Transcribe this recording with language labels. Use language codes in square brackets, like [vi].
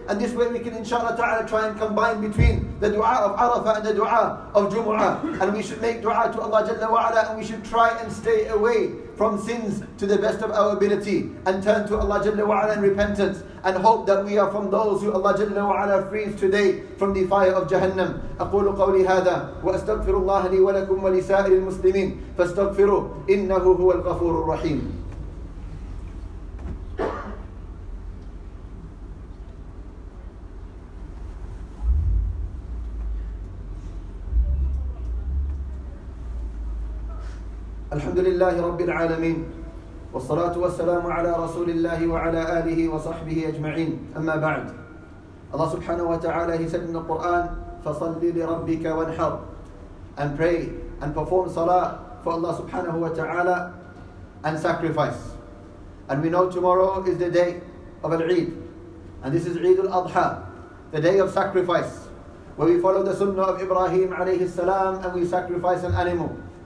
[en] And this way we can inshallah ta'ala try and combine between the dua of Arafah and the dua of Jumu'ah. And we should make dua to Allah jalla wa ala, and we should try and stay away from sins to the best of our ability, and turn to Allah jalla wa ala in repentance, and hope that we are from those who Allah jalla wa ala frees today from the fire of Jahannam. [ar] أقول قولي هذا وأستغفر الله لي ولكم ولسائر المسلمين فاستغفروا إنه هو الغفور الرحيم. الحمد لله رب العالمين والصلاة والسلام على رسول الله وعلى آله وصحبه أجمعين. أما بعد, الله سبحانه وتعالى [en] he said in the Quran, [ar] فصلي لربك وانحر, [en] and pray and perform salah for Allah subhanahu wa ta'ala, and sacrifice. And we know tomorrow is the day of Al-Eid, and this is Eid Al-Adha, the day of sacrifice, where we follow the sunnah of Ibrahim alayhi salam, and we sacrifice an animal.